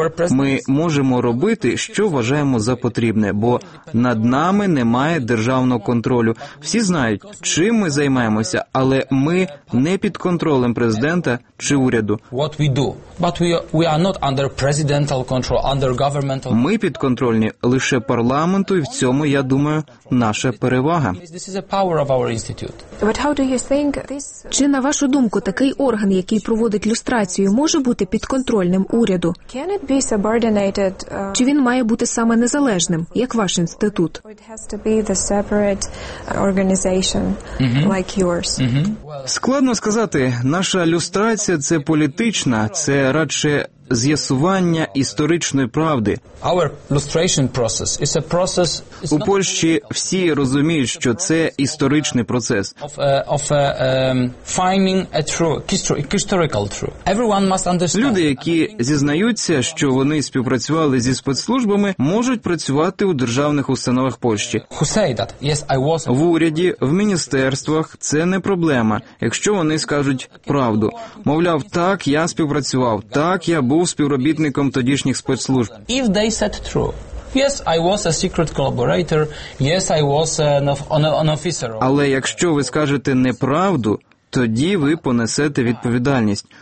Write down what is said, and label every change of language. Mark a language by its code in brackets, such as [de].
[uk] Ми можемо робити, що вважаємо за потрібне, бо над нами немає державного контролю. Всі знають, чим ми займаємося, але ми не під контролем президента чи уряду. [en] What we do, but we are not under presidential control, under governmental. [uk] Ми підконтрольні лише парламенту, і в цьому, я думаю, наша перевага. [en] This is a power of our institute. But how do you think this? [uk] Чи на вашу думку, такий орган, який проводить люстрацію, може бути підконтрольним уряду? [en] Can it be subordinated? [uk] Чи він має бути саме незалежним, як ваш інститут? [en] It has to be the separate organization like yours. [uk] Складно сказати. Наша люстрація – це політична, це радше з'ясування історичної правди. [en] Our lustration process is a process. [uk] У Польщі всі розуміють, що це історичний процес. [en] Finding a true historical truth. Everyone must understand. [uk] Люди, які зізнаються, що вони співпрацювали зі спецслужбами, можуть працювати у державних установах Польщі. [en] Who say that? Yes, I was. [uk] В уряді, в міністерствах це не проблема, якщо вони скажуть правду. Мовляв, так, я співпрацював, так, я був співробітником тодішніх спецслужб. [en] If they said true. Yes, I was a secret collaborator. Yes, I was an officer. [uk] Але якщо ви скажете неправду, тоді ви понесете відповідальність.